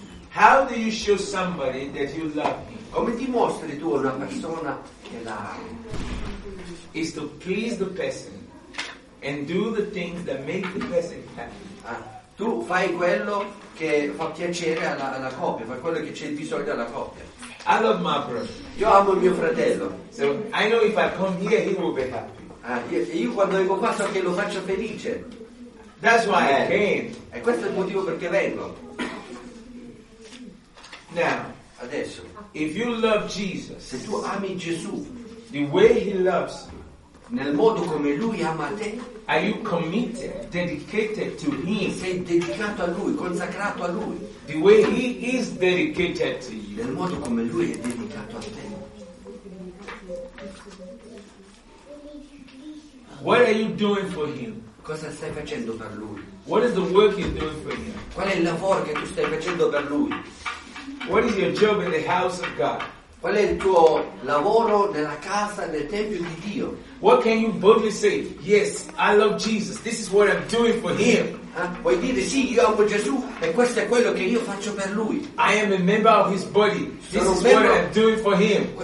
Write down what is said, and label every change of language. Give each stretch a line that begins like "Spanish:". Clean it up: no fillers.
English: How do you show somebody that you love me?
Italian: Come dimostri tu a una persona che la ami?
English: Is to please the person and do the things that make the person happy.
Italian: Ah, tu fai quello che fa piacere alla coppia, fai quello che c'è bisogno alla coppia.
English: I love my brother.
Italian: Io amo mio fratello.
English: So I know if I come here, he will be happy.
Italian: Io quando vengo qua so che lo faccio felice.
English: That's why I came.
Italian: E questo è il motivo perché vengo.
English: Now,
Italian: adesso,
English: if you love Jesus,
Italian: se tu ami Gesù,
English: the way He loves you,
Italian: nel modo come Lui ama te,
English: are you committed, dedicated to Him?
Italian: Sei dedicato a Lui, consacrato a Lui.
English: The way He is dedicated to you.
Italian: Nel modo come Lui è dedicato a te.
English: What are you doing for Him?
Italian: Cosa stai facendo per Lui?
English: What is the work you're doing for Him?
Italian: Qual è il lavoro che tu stai facendo per Lui?
English: What is your job in the house of God?
Italian: Qual è il tuo lavoro nella casa, nel tempio di Dio?
English: What can you boldly say? Yes, I love Jesus. This is what I'm doing for Him.
Italian: Vuoi dire sì, io amo Gesù e questo è quello che io faccio per Lui.
English: I am a member of His body. This is what I'm doing for Him.